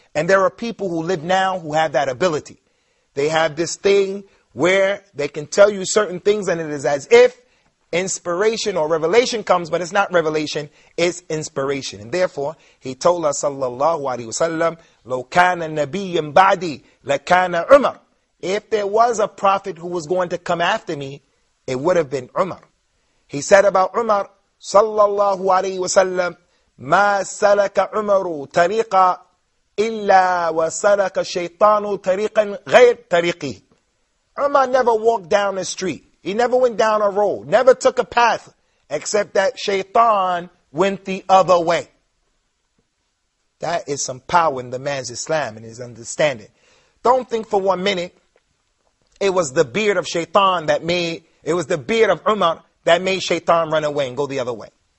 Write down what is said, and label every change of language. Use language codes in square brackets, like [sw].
[en] And there are people who live now who have that ability. They have this thing where they can tell you certain things and it is as if inspiration or revelation comes, but it's not revelation, it's inspiration. And therefore, he told us, sallallahu alayhi wa sallam, [ar] لو كان نبي بعدي لكان عمر. [en] If there was a prophet who was going to come after me, it would have been Umar. He said about Umar, sallallahu alayhi wa sallam, [ar] ما سلك عمر طريقا إلا وسلك الشيطان طريقا غير طريقي. [en] Umar never walked down a street. He never went down a road. Never took a path. Except that shaitan went the other way. That is some power in the man's Islam and his understanding. Don't think for one minute it was the beard of shaitan that made, it was the beard of Umar that made shaitan run away and go the other way.